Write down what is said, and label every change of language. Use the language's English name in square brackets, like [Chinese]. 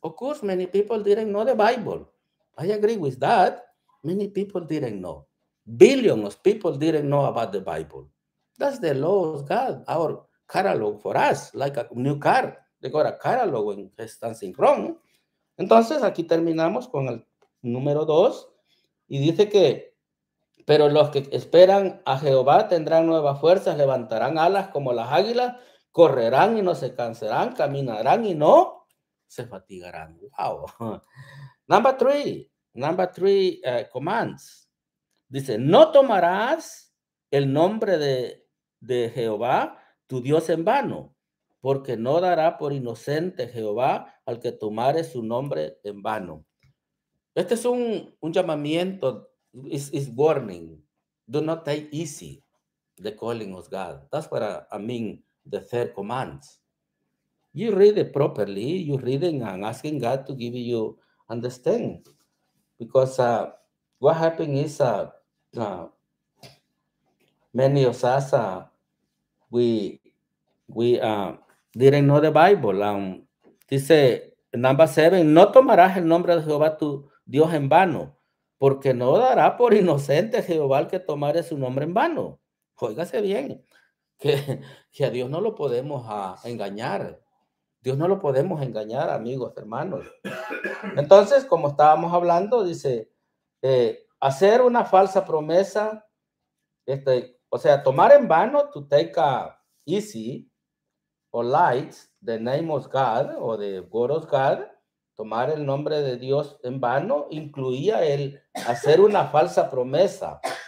[English] Of course, many people didn't know the Bible. I agree with that. Many people didn't know. Billions of people didn't know about the Bible. That's the law of God, our catalog for us, like a new car. They got a catalog when there's something wrong. [Spanish] Entonces, aquí terminamos con el número dos. Y dice que, pero los que esperan a Jehová tendrán nuevas fuerzas, levantarán alas como las águilas, correrán y no se cansarán, caminarán y no se fatigarán. Wow. [English] Number three, commands. [Spanish] Dice, no tomarás el nombre de Jehová, tu Dios, en vano, porque no dará por inocente Jehová al que tomare su nombre en vano. Este es un llamamiento, [English] is warning. Do not take easy the calling of God. That's what I mean, the third commands. You read it properly, you read it and asking God to give you understand. Because what happened is many of us, we didn't know the Bible. [Spanish] Dice, [English] number seven, [Spanish] no tomarás el nombre de Jehová tu Dios en vano, porque no dará por inocente Jehová el que tomare su nombre en vano. Óigase bien, que a Dios no lo podemos engañar. Dios no lo podemos engañar, amigos, hermanos. Entonces, como estábamos hablando, dice, hacer una falsa promesa, tomar en vano, [English] to take easy or light the name of God [Spanish] or the word of God, tomar el nombre de Dios en vano, incluía el hacer una falsa promesa.